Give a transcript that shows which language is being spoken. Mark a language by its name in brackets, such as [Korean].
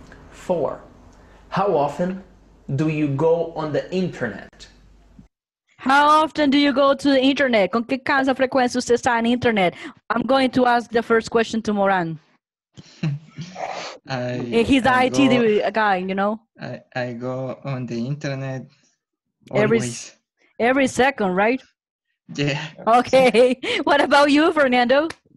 [English] Four, how often do you go on the internet? How often do you go to the internet? [Spanish] ¿Con qué cansa frecuencia usted está en internet? [English] I'm going to ask the first question to Moran. He's the IT guy, you know? I go on the internet every second, right? Yeah. Okay. What about you, Fernando?